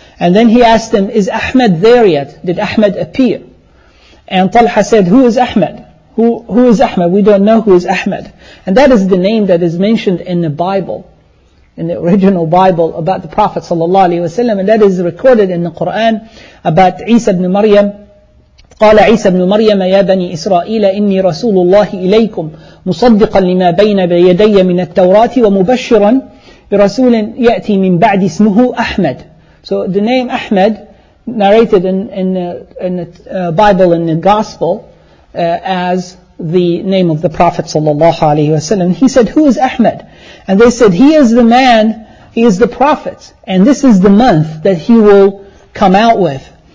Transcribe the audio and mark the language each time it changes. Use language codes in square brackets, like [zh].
[en] And then he asked him, is Ahmed there yet? Did Ahmed appear? And Talha said, who is Ahmed? Who is Ahmed? We don't know who is Ahmed. And that is the name that is mentioned in the Bible, in the original Bible, about the Prophet sallallahu alaihi wasallam, and that is recorded in the Quran about Isa ibn Maryam. [ar] قال عيسى ابن مريم يا بني إسرائيل إني رسول الله إليكم مصدقا لما بين يدي من التوراة ومبشرا برسول يأتي من بعد اسمه أحمد. [en] So the name Ahmed, narrated in the Bible, in the Gospel, as the name of the Prophet sallallahu alaihi wasallam. He said, who is Ahmed? And they said, he is the man, he is the prophet, and this is the month that he will come out with.